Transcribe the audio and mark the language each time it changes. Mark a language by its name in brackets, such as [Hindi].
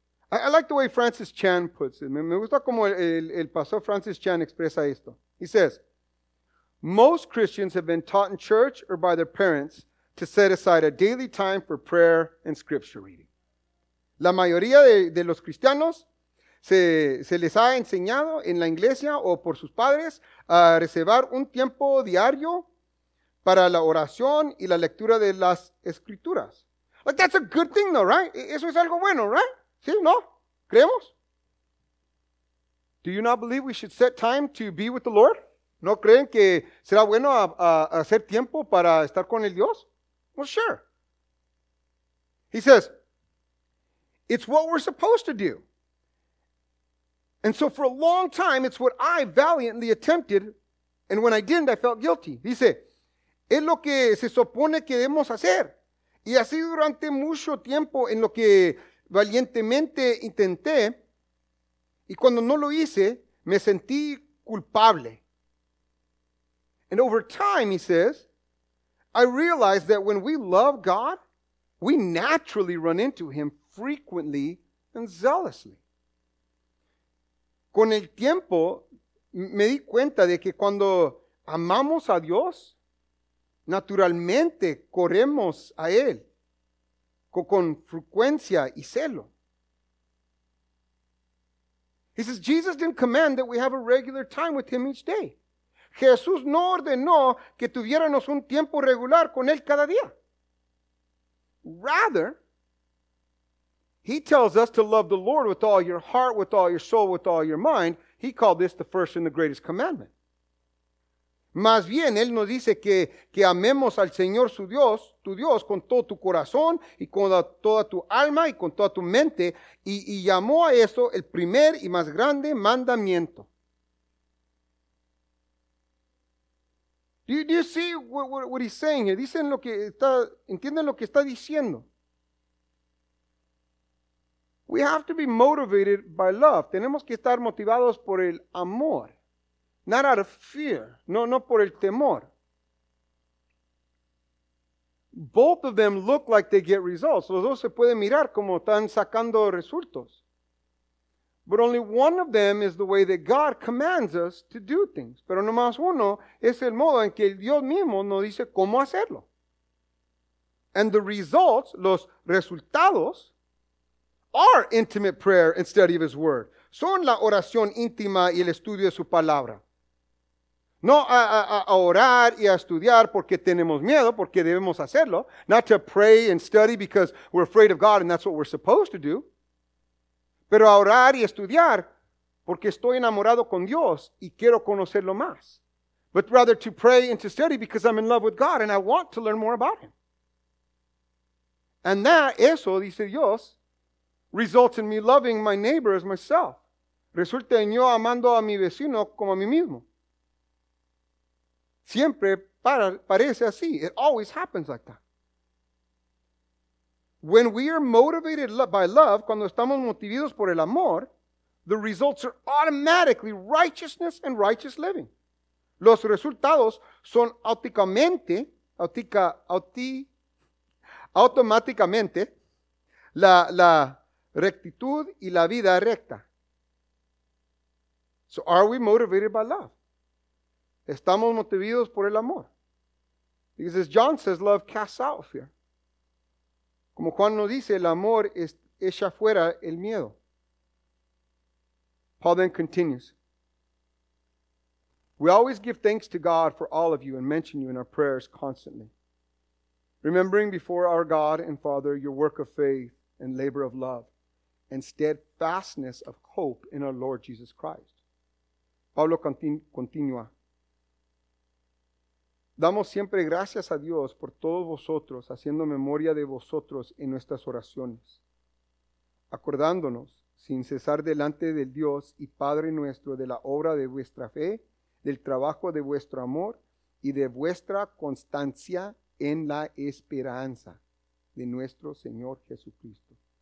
[English] I like the way Francis Chan puts it. [Spanish] Me gusta como el pastor Francis Chan expresa esto. [English] He says, most Christians have been taught in church or by their parents to set aside a daily time for prayer and scripture reading. [Spanish] La mayoría de los cristianos se les ha enseñado en la iglesia o por sus padres a reservar un tiempo diario para la oración y la lectura de las escrituras. [English] Like, that's a good thing though, right? [Spanish] Eso es algo bueno, [English] right? [Spanish] ¿Sí? ¿No? ¿Creemos? [English] Do you not believe we should set time to be with the Lord? [Spanish] ¿No creen que será bueno a hacer tiempo para estar con el Dios? [English] Well, sure. He says, it's what we're supposed to do. And so for a long time, it's what I valiantly attempted. And when I didn't, I felt guilty. [Spanish] Dice, es lo que se supone que debemos hacer. Y así durante mucho tiempo en lo que valientemente intenté. Y cuando no lo hice, me sentí culpable. [English] And over time, he says, I realized that when we love God, we naturally run into him frequently and zealously. [Spanish] Con el tiempo, me di cuenta de que cuando amamos a Dios, naturalmente corremos a Él con frecuencia y celo. [English] He says, Jesus didn't command that we have a regular time with Him each day. [Spanish] Jesús no ordenó que tuviéramos un tiempo regular con Él cada día. [English] Rather, He tells us to love the Lord with all your heart, with all your soul, with all your mind. He called this the first and the greatest commandment. [Spanish] Más bien, Él nos dice que amemos al Señor su Dios, tu Dios, con todo tu corazón y con toda tu alma y con toda tu mente. Y llamó a esto el primer y más grande mandamiento. [English] Do you see what he's saying here? [Spanish] Dicen lo que está, ¿entienden lo que está diciendo? [English] We have to be motivated by love. [Spanish] Tenemos que estar motivados por el amor. [English] Not out of fear. [Spanish] No por el temor. [English] Both of them look like they get results. [Spanish] Los dos se pueden mirar como están sacando resultados. [English] But only one of them is the way that God commands us to do things. [Spanish] Pero nomás uno es el modo en que Dios mismo nos dice cómo hacerlo. [English] And the results, [Spanish] los resultados, [English] are intimate prayer and study of His Word. [Spanish] Son la oración íntima y el estudio de su palabra. No a orar y a estudiar porque tenemos miedo, porque debemos hacerlo. [English] Not to pray and study because we're afraid of God and that's what we're supposed to do. [Spanish] Pero a orar y estudiar porque estoy enamorado con Dios y quiero conocerlo más. [English] But rather to pray and to study because I'm in love with God and I want to learn more about Him. And that, [Spanish] eso, dice Dios, [English] results in me loving my neighbor as myself. [Spanish] Resulta en yo amando a mi vecino como a mí mismo. Siempre parece así. [English] It always happens like that. When we are motivated by love, [Spanish] cuando estamos motivados por el amor, [English] the results are automatically righteousness and righteous living. [Spanish] Los resultados son automáticamente la rectitud y la vida recta. [English] So are we motivated by love? [Spanish] Estamos motivados por el amor. [English] Because as John says, love casts out fear. [Spanish] Como Juan nos dice, el amor echa fuera el miedo. [English] Paul then continues. We always give thanks to God for all of you and mention you in our prayers constantly. Remembering before our God and Father your work of faith and labor of love and steadfastness of hope in our Lord Jesus Christ. [Spanish] Pablo continúa. Damos siempre gracias a Dios por todos vosotros, haciendo memoria de vosotros en nuestras oraciones, acordándonos sin cesar delante del Dios y Padre nuestro de la obra de vuestra fe, del trabajo de vuestro amor y de vuestra constancia en la esperanza de nuestro Señor Jesucristo.